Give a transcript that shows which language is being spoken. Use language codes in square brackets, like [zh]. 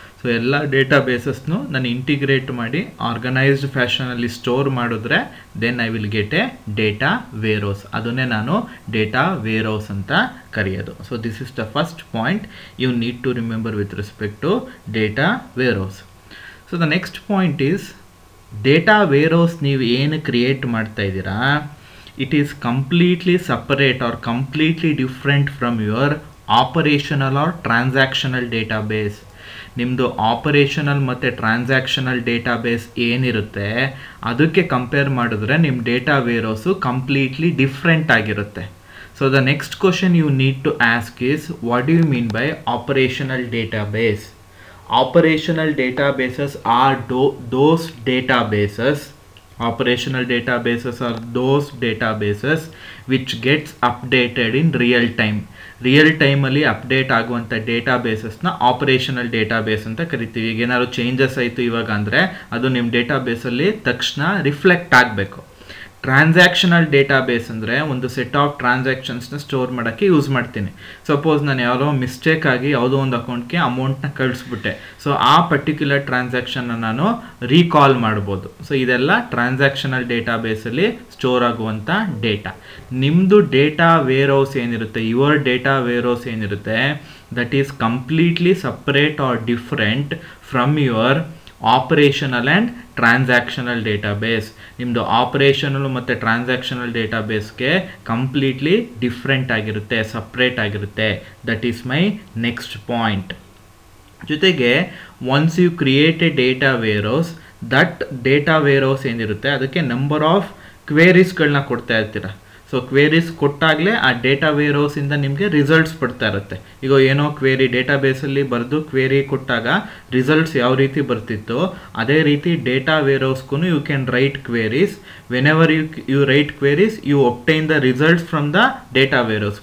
[kn] So ಎಲ್ಲ ಡೇಟಾಬೇಸಸ್ನು ನಾನು integrate ಮಾಡಿ ಆರ್ಗನೈಸ್ಡ್ ಫ್ಯಾಷನಲ್ಲಿ ಸ್ಟೋರ್ ಮಾಡಿದ್ರೆ [en] Then I will get a data warehouse. [kn] ಅದನ್ನೇ ನಾನು ಡೇಟಾ ವೇರೋಸ್ ಅಂತ ಕರೆಯೋದು. [en] So this is the first point you need to remember with respect to data warehouse. So the next point is, data warehouse [kn] ನೀವು ಏನು ಕ್ರಿಯೇಟ್ ಮಾಡ್ತಾ ಇದ್ದೀರಾ, [en] it is completely separate or completely different from your operational or transactional database. [kn] ನಿಮ್ಮದು operational ಮತ್ತು transactional database ಏನಿರುತ್ತೆ ಅದಕ್ಕೆ compare ಮಾಡಿದ್ರೆ ನಿಮ್ಮ ಡೇಟಾ ವೇರೋಸು ಕಂಪ್ಲೀಟ್ಲಿ ಡಿಫ್ರೆಂಟ್ ಆಗಿರುತ್ತೆ. [en] So the next question you need to ask is, what you mean by operational database? Operational databases are those databases operational databases are those databases which gets updated in real time. [kn] Real ಟೈಮಲ್ಲಿ update ಆಗುವಂಥ ಡೇಟಾಬೇಸಸ್ನ operational database ಅಂತ ಕರಿತೀವಿ. ಈಗ ಏನಾದ್ರು changes ಆಯಿತು ಇವಾಗ ಅಂದರೆ ಅದು ನಿಮ್ಮ ಡೇಟಾಬೇಸಲ್ಲಿ ತಕ್ಷಣ ರಿಫ್ಲೆಕ್ಟ್ ಆಗಬೇಕು. ಟ್ರಾನ್ಸಾಕ್ಷನಲ್ ಡೇಟಾಬೇಸ್ ಅಂದರೆ ಒಂದು ಸೆಟ್ ಆಫ್ ಟ್ರಾನ್ಸಾಕ್ಷನ್ಸ್ನ ಸ್ಟೋರ್ ಮಾಡೋಕ್ಕೆ ಯೂಸ್ ಮಾಡ್ತೀನಿ. ಸಪೋಸ್ ನಾನು ಯಾರೋ ಮಿಸ್ಟೇಕ್ ಆಗಿ ಯಾವುದೋ ಒಂದು ಅಕೌಂಟ್ಗೆ ಅಮೌಂಟ್ನ ಕಳಿಸ್ಬಿಟ್ಟೆ, ಸೊ ಆ ಪರ್ಟಿಕ್ಯುಲರ್ ಟ್ರಾನ್ಸಾಕ್ಷನ್ನ ನಾನು ರೀಕಾಲ್ ಮಾಡ್ಬೋದು. ಸೊ ಇದೆಲ್ಲ ಟ್ರಾನ್ಸಾಕ್ಷನಲ್ ಡೇಟಾಬೇಸಲ್ಲಿ ಸ್ಟೋರ್ ಆಗುವಂಥ ಡೇಟಾ. ನಿಮ್ಮದು ಡೇಟಾ ವೇರ್ಹೌಸ್ ಏನಿರುತ್ತೆ, [en] Your data warehouse ಏನಿರುತ್ತೆ, that is completely separate or different from your operational and transactional database. [kn] ನಿಮ್ದು operational ಮತ್ತೆ transactional database completely different ಆಗಿರುತ್ತೆ, separate ಆಗಿರುತ್ತೆ. [en] That is my next point. ಜೊತೆಗೆ once you create a data warehouse, that data warehouse ಏನಿರುತ್ತೆ ಅದಕ್ಕೆ number of queries [kn] ಗಳನ್ನ ಕೊಡ್ತಾ ಇರ್ತೀರ. ಸೊ ಕ್ವೇರೀಸ್ ಕೊಟ್ಟಾಗಲೇ ಆ ಡೇಟಾ ವೇರೋಸ್ ಇಂದ ನಿಮಗೆ ರಿಸಲ್ಟ್ಸ್ ಬರ್ತಾ ಇರುತ್ತೆ. ಈಗ ಏನೋ ಕ್ವೇರಿ ಡೇಟಾ ಬೇಸಲ್ಲಿ ಬರೆದು ಕ್ವೇರಿ ಕೊಟ್ಟಾಗ ರಿಸಲ್ಟ್ಸ್ ಯಾವ ರೀತಿ ಬರ್ತಿತ್ತು ಅದೇ ರೀತಿ data ವೇರೋಸ್ಗೂ [en] You can write queries. Whenever you write queries, you obtain the results from the data warehouse.